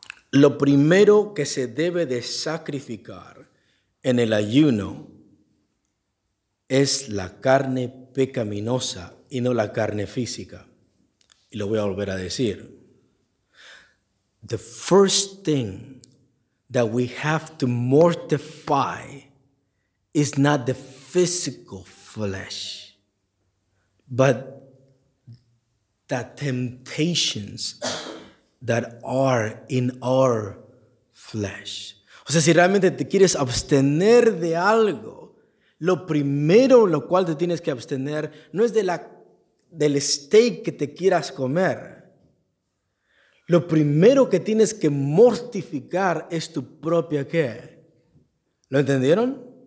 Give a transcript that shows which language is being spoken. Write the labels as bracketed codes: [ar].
[es] Lo primero que se debe de sacrificar en el ayuno es la carne pecaminosa y no la carne física. Y lo voy a volver a decir. [en] The first thing that we have to mortify is not the physical flesh, but the temptations that are in our flesh. [es] O sea, si realmente te quieres abstener de algo, lo primero lo cual te tienes que abstener no es del steak que te quieras comer. Lo primero que tienes que mortificar es tu propia ¿qué? ¿Lo entendieron?